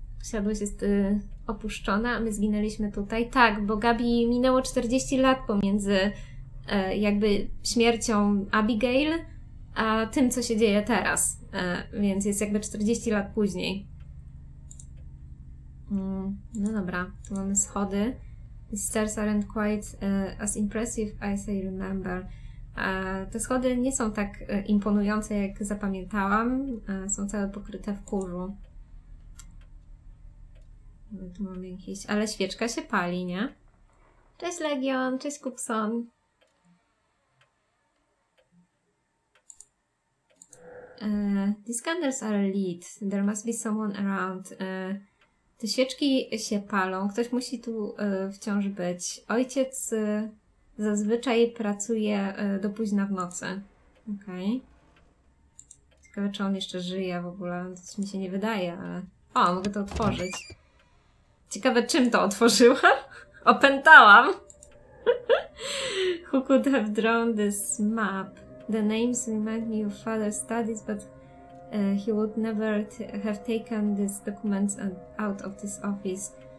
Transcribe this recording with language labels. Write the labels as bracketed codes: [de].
[pl] Siadłość jest opuszczona, a my zginęliśmy tutaj. Tak, bo Gabi minęło 40 lat pomiędzy jakby śmiercią Abigail a tym, co się dzieje teraz. Więc jest jakby 40 lat później. No dobra, tu mamy schody. [en] These stairs aren't quite as impressive as I remember. [pl] Te schody nie są tak imponujące, jak zapamiętałam. Są całe pokryte w kurzu. Tu mamy jakieś... Ale świeczka się pali, nie? Cześć Legion, cześć Kupson. [en] These candles are lit. There must be someone around. [pl] Te świeczki się palą. Ktoś musi tu wciąż być. Ojciec zazwyczaj pracuje do późna w nocy. Okej. Ciekawe, czy on jeszcze żyje w ogóle. To mi się nie wydaje, ale... O, mogę to otworzyć. Ciekawe, czym to otworzyłam? Opętałam! [en] Who could have drawn this map? The names remind me of father's studies, but he would never have taken these documents out of this office.